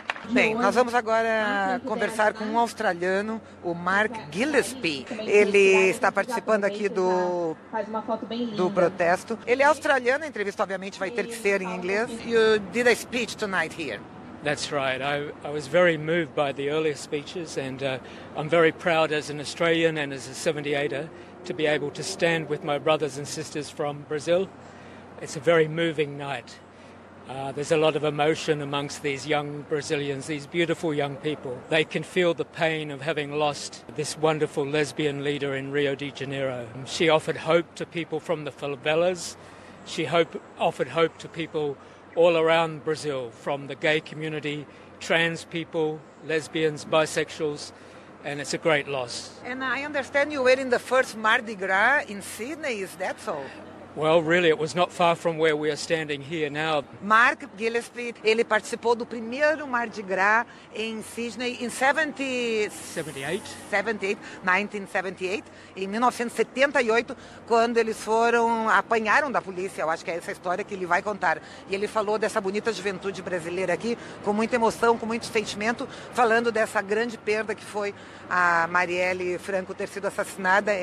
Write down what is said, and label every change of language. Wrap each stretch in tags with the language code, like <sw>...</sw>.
<pt>Bem, nós vamos agora conversar com um australiano, o Mark Gillespie. Ele está participando aqui do protesto. Ele é australiano, a entrevista obviamente vai ter que ser em inglês.</pt> <en>You did a speech tonight here. That's right. I was very moved by the earlier speeches and I'm very proud as an Australian and as a 78er to be able to stand with my brothers and sisters from Brazil. It's a very moving night. There's a lot of emotion amongst these young Brazilians, these beautiful young people. They can feel the pain of having lost this wonderful lesbian leader in Rio de Janeiro. She offered hope to people from the favelas. She offered hope to people all around Brazil, from the gay community, trans people, lesbians, bisexuals, and it's a great loss. And I understand you were in the first Mardi Gras in Sydney, is that so? Well, really, it was not far from where we are standing here now.</en> <pt>Mark Gillespie, ele participou do primeiro Mardi Gras em Sydney em 1978, quando eles apanharam da polícia, eu acho que é essa história que ele vai contar. E ele falou dessa bonita juventude brasileira aqui, com muita emoção, com muito sentimento, falando dessa grande perda que foi a Marielle Franco ter sido assassinada.</pt>